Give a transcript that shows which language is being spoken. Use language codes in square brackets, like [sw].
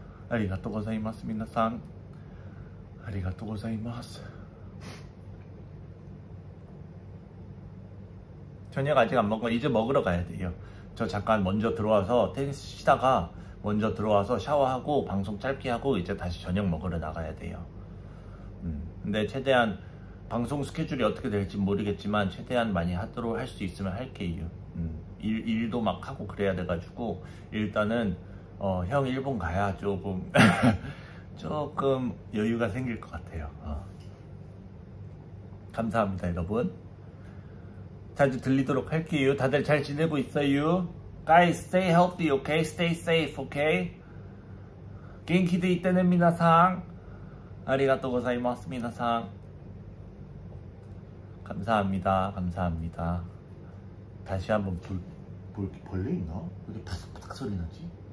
[ja] ありがとうございます, 皆さん.ありがとうございます. [ko] 저녁 아직 안 먹고 이제 먹으러 가야 돼요. 저 잠깐 먼저 들어와서 테니스 치다가 먼저 들어와서 샤워하고 방송 짧게 하고 이제 다시 저녁 먹으러 나가야 돼요. 근데 최대한 방송 스케줄이 어떻게 될지 모르겠지만 최대한 많이 하도록 할 수 있으면 할게요. 일도 막 하고 그래야 돼가지고 일단은 형 일본 가야 조금 조금 여유가 생길 것 같아요. 감사합니다 여러분. 자주 들리도록 할게요. 다들 잘 지내고 있어요. [en] Guys, stay healthy, okay? Stay safe, okay? [ja] 元気でいてね, 皆さん. ありがとうございます, 皆さん. [ko] 감사합니다, 감사합니다. 다시 한번 벌레 있나? 왜 이렇게 바삭바삭 소리 나지?